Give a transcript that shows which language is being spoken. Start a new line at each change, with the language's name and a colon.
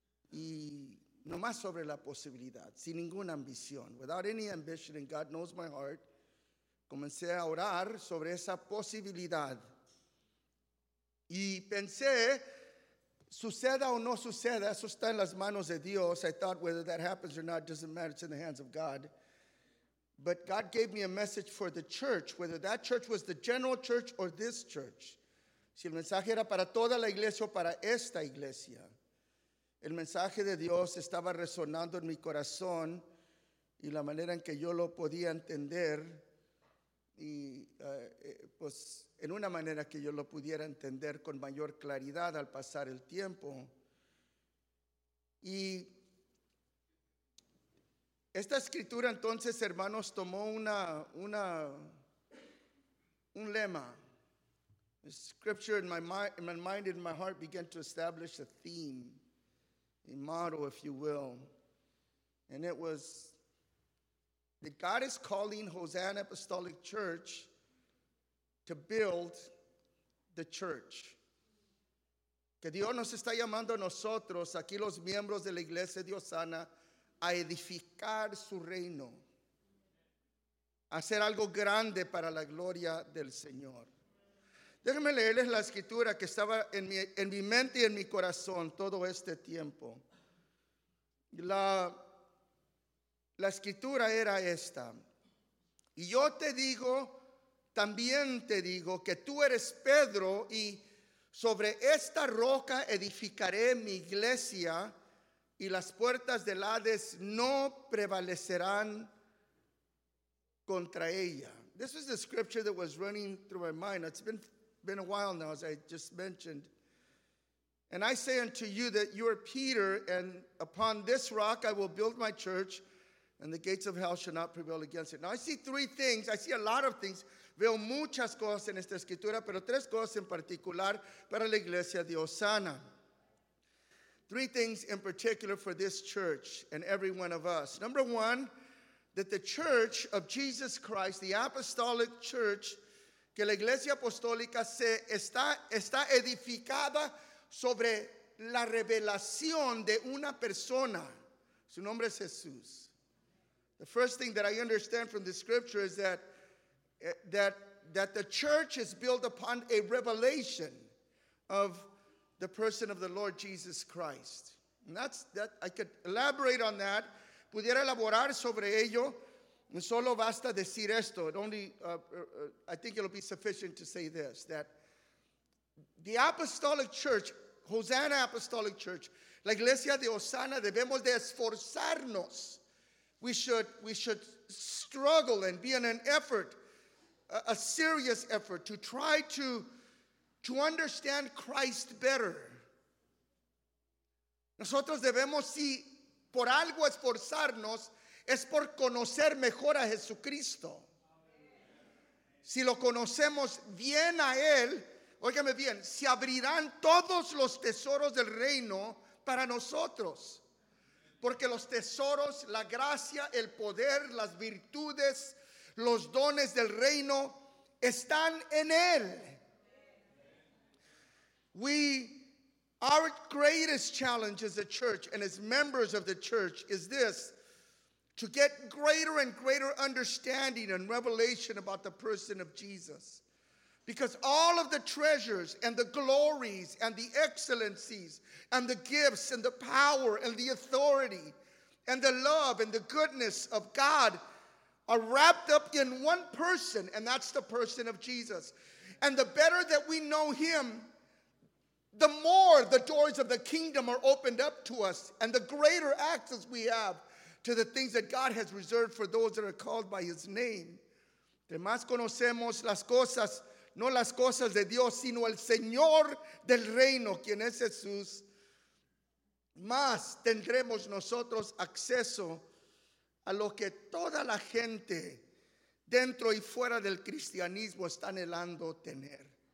Spanish: Y nomás sobre la posibilidad, sin ninguna ambición.
English: Without any ambition, and God knows my heart,
Spanish: comencé a orar sobre esa posibilidad. Y pensé, suceda o no suceda, eso está en las manos de Dios.
English: I thought whether that happens or not, doesn't matter, it's in the hands of God. But God gave me a message for the church, whether that church was the general church or this church.
Spanish: Si el mensaje era para toda la iglesia o para esta iglesia. El mensaje de Dios estaba resonando en mi corazón y la manera en que yo lo podía entender y pues en una manera que yo lo pudiera entender con mayor claridad al pasar el tiempo. Y esta escritura entonces, hermanos, tomó un lema.
English: The scripture in my mind, in my heart, began to establish a theme, a motto, if you will. And it was that God is calling Hosanna Apostolic Church to build the church.
Spanish: Que Dios nos está llamando a nosotros, aquí los miembros de la iglesia de Hosanna, a edificar su reino. A hacer algo grande para la gloria del Señor. Déjenme leerles la escritura que estaba en mi mente y en mi corazón todo este tiempo. La escritura era esta. Y yo te digo, también te digo que tú eres Pedro y sobre esta roca edificaré mi iglesia y las puertas del Hades no prevalecerán contra ella.
English: This is the scripture that was running through my mind. It's been a while now, as I just mentioned. And I say unto you that you are Peter, and upon this rock I will build my church, and the gates of hell shall not prevail against it. Now I see three things. I see a lot of things.
Spanish: Veo muchas cosas en esta escritura, pero tres cosas en particular para la iglesia de Hosanna.
English: Three things in particular for this church and every one of us. Number one, that the church of Jesus Christ, the apostolic church,
Spanish: que la iglesia apostólica está edificada sobre la revelación de una persona. Su nombre es Jesús.
English: The first thing that I understand from the scripture is that the church is built upon a revelation of the person of the Lord Jesus Christ. And I could elaborate on that.
Spanish: Pudiera elaborar sobre ello. Solo basta decir esto.
English: I think it'll be sufficient to say this, that the apostolic church, Hosanna Apostolic Church,
Spanish: la iglesia de Hosanna, debemos de esforzarnos.
English: We should struggle and be in an effort, a serious effort, to try to understand Christ better.
Spanish: Nosotros debemos, si por algo esforzarnos, es por conocer mejor a Jesucristo. Si lo conocemos bien a Él, Óigame bien, se abrirán todos los tesoros del reino para nosotros. Porque los tesoros, la gracia, el poder, las virtudes, los dones del reino están en él.
English: Our greatest challenge as a church and as members of the church is this: to get greater and greater understanding and revelation about the person of Jesus. Because all of the treasures and the glories and the excellencies and the gifts and the power and the authority and the love and the goodness of God are wrapped up in one person, and that's the person of Jesus. And the better that we know him, the more the doors of the kingdom are opened up to us, and the greater access we have to the things that God has reserved for those that are called by his name.
Spanish: De más conocemos las cosas, no las cosas de Dios, sino el Señor del reino, quien es Jesús, más tendremos nosotros acceso a lo que toda la gente dentro y fuera del cristianismo está anhelando tener.